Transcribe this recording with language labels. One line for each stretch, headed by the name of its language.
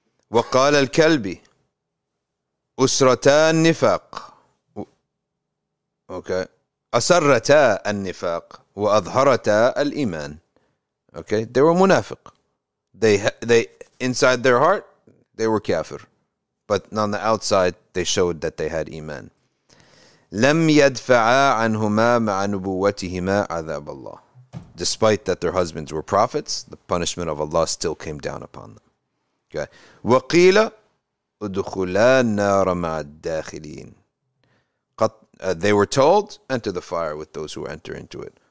Arabic: وقال الكلبي أسرتان نفاق. Okay. أصرت النفاق وأظهرت الإيمان.
English: Okay, they were munafiq. They inside their heart, they were kafir, but on the outside, they showed that they had iman.
Arabic: لم يدفعا عنهما مع نبوتهما عذاب الله.
English: Despite that their husbands were prophets, the punishment of Allah still came down upon them. Okay.
Arabic: وقيل ادخلا النار مع الداخلين.
English: They were told, enter the fire with those who enter into it.